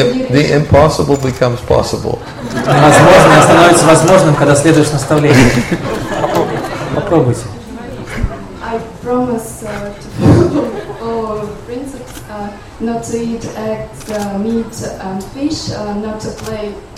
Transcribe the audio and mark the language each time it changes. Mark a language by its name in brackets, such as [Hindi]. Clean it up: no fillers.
[English] The impossible becomes possible. [Russian] Невозможное становится возможным, когда следуешь наставлениям. Попробуйте. [English] I promise to follow all principles, not to eat eggs, meat and fish, not to play